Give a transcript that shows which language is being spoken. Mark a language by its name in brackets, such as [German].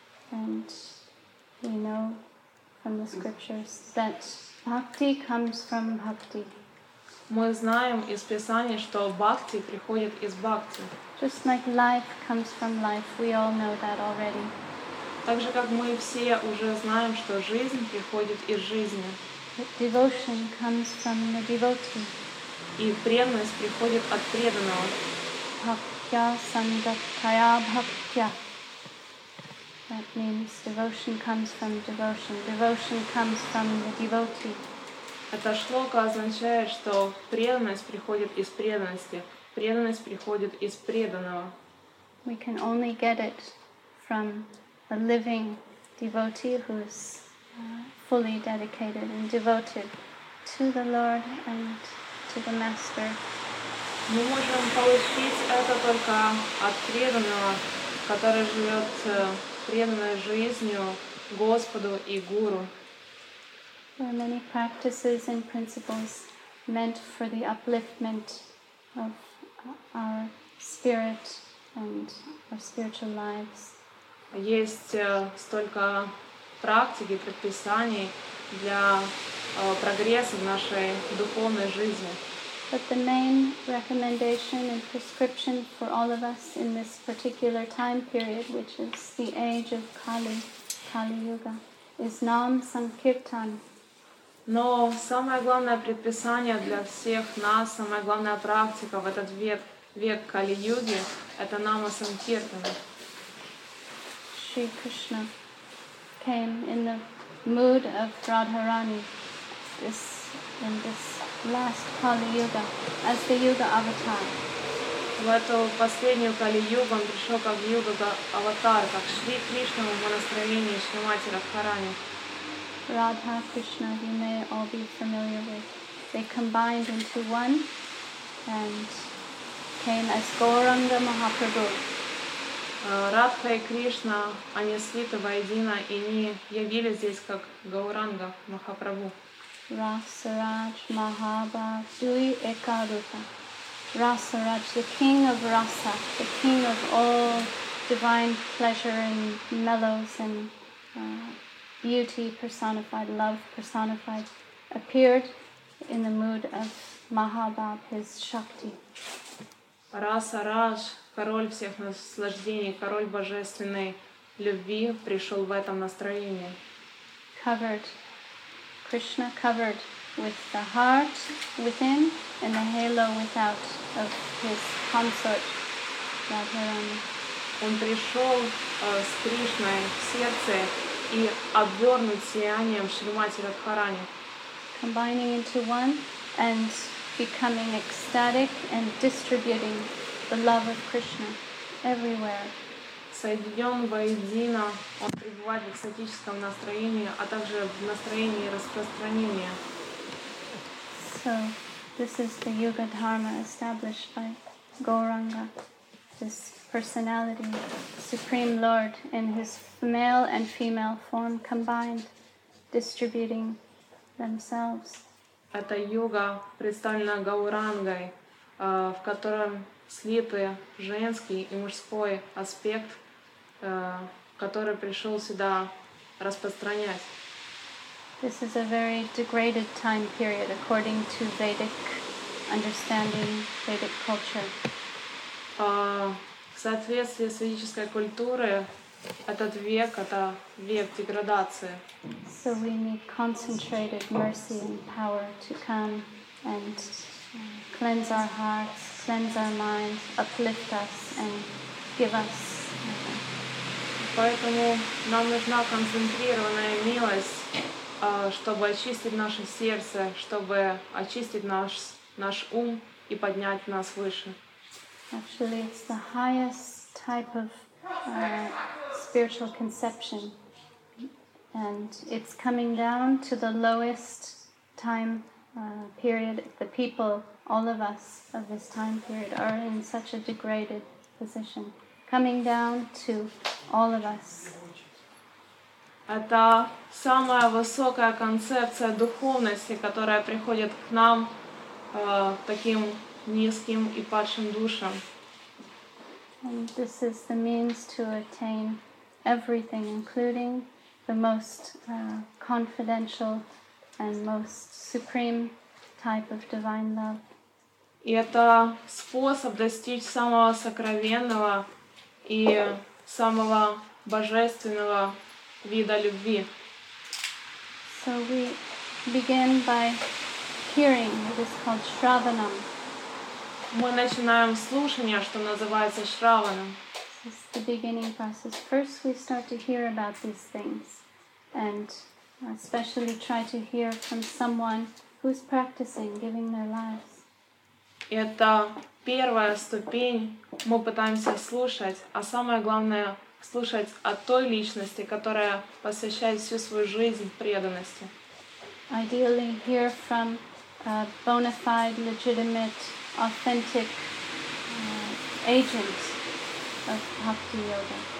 [English] And we know from the scriptures that bhakti comes from bhakti. [Russian] Мы знаем из Писания, что бхакти приходит из бхакти. [English] Just like life comes from life, we all know that already. [Russian] Так же, как мы все уже знаем, что жизнь приходит из жизни. [English] Devotion comes from the devotee. [Russian] И преданность приходит от преданного. [Sanskrit] Bhaktya sangatkaya bhaktya. [English] That means devotion comes from devotion. Devotion comes from the devotee. [Russian] Эта шлока означает, что преданность приходит из преданности. Преданность приходит из преданного. [English] We can only get it from a living devotee who is fully dedicated and devoted to the Lord and to the Master. [Russian] Мы можем получить это только от преданного, который живет преданной жизнью Господу и Гуру. [English] There are many practices and principles meant for the upliftment of our spirit and our spiritual lives. [Russian] Есть столько практик и предписаний для прогресса в нашей духовной жизни. [English] But the main recommendation and prescription for all of us in this particular time period, which is the age of Kali, Kali Yuga, is Nam Sankirtan. [Russian] Но самое главное предписание для всех нас, самая главная практика в этот век Кали-Юги — это Нама Санкиртана. [English] Шри Кришна came in the mood of Radharani in this last Kali-Yuga as the Yuga Avatar. [Russian] В эту последнюю Кали-Югу он пришел как Юга Аватар, как Шри Кришна в настроении Шримати Радхарани. [English] Radha, Krishna, you may all be familiar with. They combined into one and came as Gauranga Mahaprabhu. [Russian] Radha и Krishna, они слиты воедино, и они явились здесь как Гауранга Махапрабху. [Bangla] Rasa Raj Mahabha Dui Ekaruta. [English] Rasaraj, the king of rasa, the king of all divine pleasure and mellows and beauty personified, love personified, appeared in the mood of Mahabab, his Shakti. [Russian] Rasaraj, король всех наслаждений, король божественной любви, пришел в этом настроении. [English] Covered, Krishna covered with the heart within and the halo without of his consort Radharani. [Russian] Он пришел с Кришной в сердце и обернут сиянием Шримати Радхарани. [English] Combining into one and becoming ecstatic and distributing the love of Krishna everywhere. [Russian] Соединён воедино, он пребывает в экстатическом настроении, а также в настроении распространения. [English] So, this is the Yuga Dharma established by Gauranga, this personality, Supreme Lord, in his male and female form combined, distributing themselves. [Russian] Это йога, представленная Гаурангой, в котором слиты женский и мужской аспект, который пришел сюда распространять. [English] This is a very degraded time period according to Vedic understanding, Vedic culture. [Russian] В соответствии с ведической культурой этот век — это век деградации. [English] So we need concentrated mercy and power to come and cleanse our hearts, cleanse our minds, uplift us and give us. [Russian] Поэтому нам нужна концентрированная милость, чтобы очистить наше сердце, чтобы очистить наш ум и поднять нас выше. [English] Actually, it's the highest type of spiritual conception, and it's coming down to the lowest time period. The people, all of us of this time period, are in such a degraded position. Coming down to all of us. [Russian] Это самая высокая концепция духовности, которая приходит к нам таким низким и падшим душам. [English] And this is the means to attain everything, including the most confidential and most supreme type of divine love. [Russian] И это способ достичь самого сокровенного и самого божественного вида любви. [English] So we begin by hearing what is called Shravanam. [Russian] Мы начинаем слушание, что называется Шраваном. [English] This is the beginning process. First we start to hear about these things and especially try to hear from someone who's practicing, giving their lives. [Russian] Это первая ступень, мы пытаемся слушать, а самое главное — слушать от той личности, которая посвящает всю свою жизнь преданности. [English] Ideally hear from a bona fide, legitimate, authentic agent of bhakti yoga.